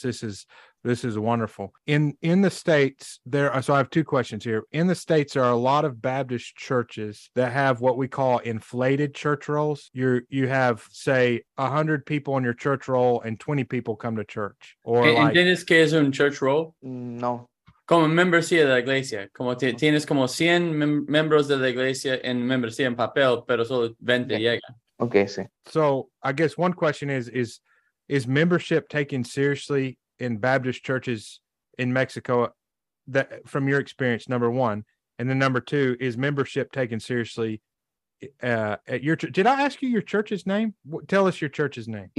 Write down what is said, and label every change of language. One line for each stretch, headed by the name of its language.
English: This is wonderful. In the States, so I have two questions here. In the States, there are a lot of Baptist churches that have what we call inflated church roles. You have, say, 100 people in your church role and 20 people come to church. Or
Spanish: ¿En tienes que es un church role? No. Como membresía de la iglesia. Como tienes como 100 miembros de la iglesia en membresía en papel, pero solo 20 okay. llegan. Okay, sí.
English: So I guess one question is membership taken seriously in Baptist churches in Mexico, that from your experience, number one? And then number two, is membership taken seriously at your church? Did I ask you your church's name? Tell us your church's name.